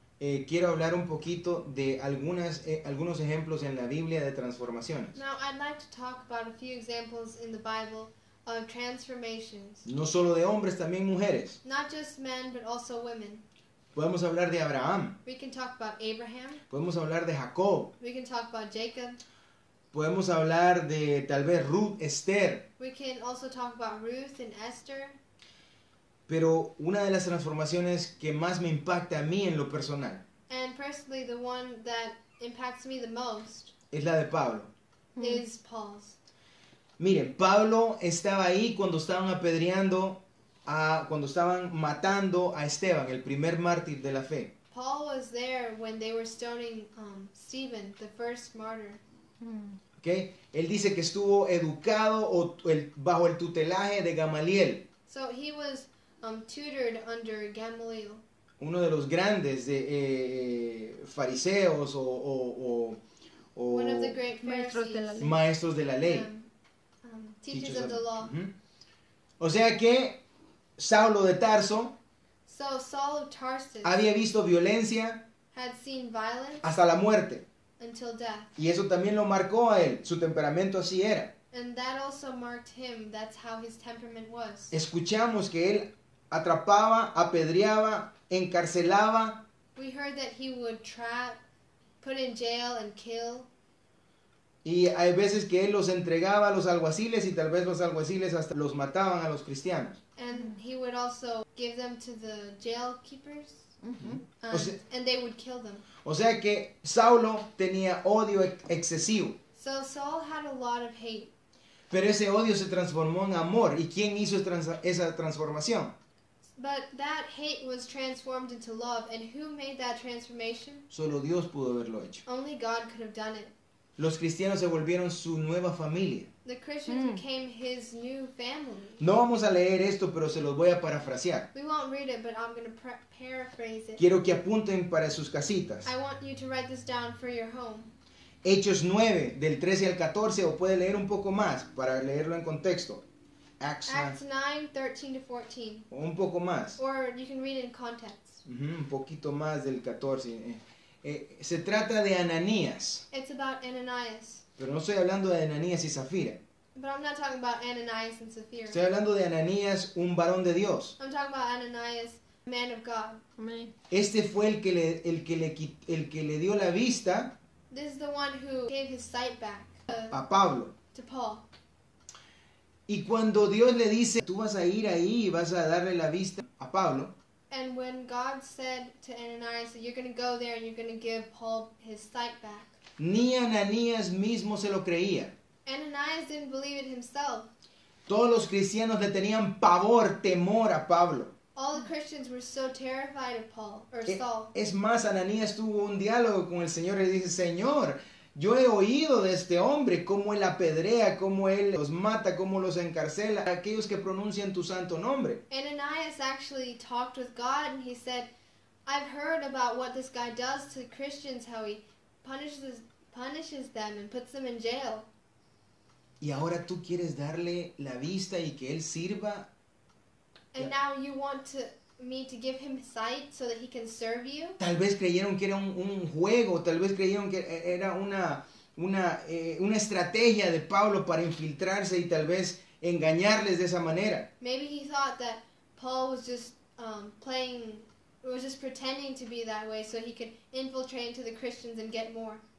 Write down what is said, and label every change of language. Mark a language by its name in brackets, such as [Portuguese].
[Spanish] Quiero hablar un poquito de algunos ejemplos en la Biblia de transformaciones. [English] Now, I'd like to talk about a few examples in the Bible of transformations. [Spanish] No solo de hombres, también mujeres. [English] Not just men, but also women. [Spanish] Podemos hablar de Abraham. [English] We can talk about Abraham. [Spanish] Podemos hablar de Jacob. [English] We can talk about Jacob. [Spanish] Podemos hablar de tal vez Ruth, Esther. [English] We can also talk about Ruth and Esther. [Spanish] Pero una de las transformaciones que más me impacta a mí en lo personal. [English] And personally, the one that impacts me the most. [Spanish] Es la de Pablo. [English] Is Paul's. [Spanish] Miren, Pablo estaba ahí cuando estaban apedreando, cuando estaban matando a Esteban, el primer mártir de la fe. [English] Paul was there when they were stoning Stephen, the first martyr. Okay. [Spanish] Él dice que estuvo educado bajo el tutelaje de Gamaliel. [English] So he was tutored under Gamaliel. [Spanish] Uno de los grandes de fariseos o [English] one of the great Pharisees. [Spanish] Maestros de la ley. [English] Teachers of the law. [Spanish] O sea que Saulo de Tarso, [English] so Saul of Tarsus, [Spanish] había visto violencia, [English] had seen violence, [Spanish] hasta la muerte. [English] Until death. [Spanish] Y eso también lo marcó a él, su temperamento así era. [English] And that also marked him, that's how his temperament was. [Spanish] Escuchamos que él atrapaba, apedreaba, encarcelaba. [English] We heard that he would trap, put in jail and kill. [Spanish] Y hay veces que él los entregaba a los alguaciles y tal vez los alguaciles hasta los mataban a los cristianos. [English] And he would also give them to the jail keepers. And they would kill them. [Spanish] O sea que Saulo tenía odio excesivo. [English] So Saul had a lot of hate. [Spanish] Pero ese odio se transformó en amor. ¿Y quién hizo esa transformación? [English] But that hate was transformed into love, and who made that transformation? [Spanish] Solo Dios pudo haberlo hecho. [English] Only God could have done it. [Spanish] Los cristianos se volvieron su nueva familia. [English] The Christians became his new family. [Spanish] No vamos a leer esto, pero se los voy a parafrasear. [English] We won't read it, but I'm going to paraphrase it. [Spanish] Quiero que apunten para sus casitas. [English] I want you to write this down for your home. [Spanish] Hechos 9, del 13 al 14, o puede leer un poco más para leerlo en contexto. [English] Acts 9, 13 to 14. [Spanish] O un poco más. [English] Or you can read it in context. [Spanish] Un poquito más del 14. Se trata de Ananías. [English] It's about Ananias. [Spanish] Pero no estoy hablando de Ananías y Zafira. [English] But I'm not talking about Ananias and Zafira. [Spanish] Estoy hablando de Ananías, un varón de Dios. [English] I'm talking about Ananias, man of God. [Spanish] Este fue el que le dio la vista. [English] This is the one who gave his sight back. [Spanish] A Pablo. [English] To Paul. [Spanish] Y cuando Dios le dice, tú vas a ir ahí y vas a darle la vista a Pablo. [English] And when God said to Ananias that you're going to go there and you're going to give Paul his sight back. [Spanish] Ni Ananías mismo se lo creía. [English] Ananias didn't believe it himself. [Spanish] Todos los cristianos le tenían pavor, temor a Pablo. [English] All the Christians were so terrified of Paul, or Saul. [Spanish] Es más, Ananías tuvo un diálogo con el Señor y le dice, Señor, yo he oído de este hombre cómo él apedrea, cómo él los mata, cómo los encarcela, aquellos que pronuncian tu santo nombre. [English] Ananias actually talked with God and he said, I've heard about what this guy does to Christians, how he punishes them and puts them in jail. [Spanish] Y ahora tú quieres darle la vista y que él sirva. [English] And now you want to... me to give him sight so that he can serve you. [Spanish] Tal vez creyeron que era un juego, tal vez creyeron que era una estrategia de Pablo para infiltrarse y tal vez engañarles de esa manera. [English] Maybe he thought that Paul was just pretending to be that way so he could infiltrate into the Christians and get more.